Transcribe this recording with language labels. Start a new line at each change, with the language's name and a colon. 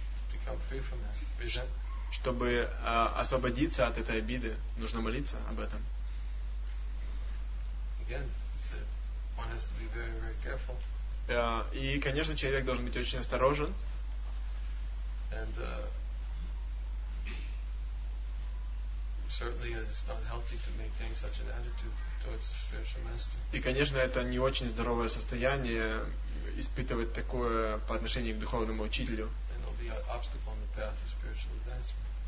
English: Become free from that.
Russian: Чтобы освободиться от этой обиды, нужно молиться об этом.
English: Again, one has to be very, very careful.
Russian: И, конечно, человек должен быть очень осторожен.
English: And, certainly, it's not healthy to maintain such an attitude towards the spiritual master.
Russian: И, конечно, это не очень здоровое состояние испытывать такое по отношению к духовному учителю.
English: And it'll be an obstacle on the path of spiritual advancement.